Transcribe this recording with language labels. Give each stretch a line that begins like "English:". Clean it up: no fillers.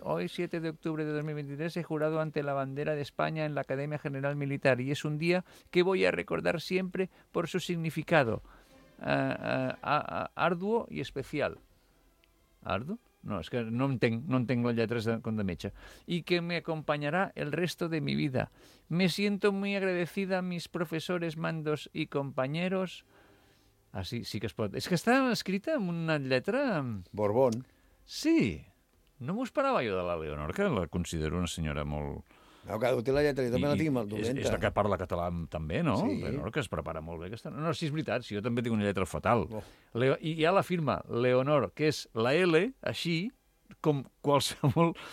Spanish: Hoy, 7 de octubre de 2023, he jurado ante la bandera de España en la Academia General Militar y es un día que voy a recordar siempre por su significado arduo y especial. ¿Arduo?
Catalan: No, és que no entenc les lletres de metge.
Spanish: I que me acompanyarà el resto de mi vida. Me siento muy agradecida a mis profesores, mandos y compañeros.
Catalan: Ah, sí que es pot. És que està escrita amb una lletra... Borbón. Sí. No m'ho esperava jo de la Leonor, que la considero una senyora molt... No, que té la lletra, jo també la tinc molt dolenta. És la que parla català també, no? Sí. Leonor, que es prepara molt bé. Aquesta... No, sí, és veritat, sí, jo també tinc una lletra fatal. I hi ha la firma Leonor, que és la L, així, com qualsevol...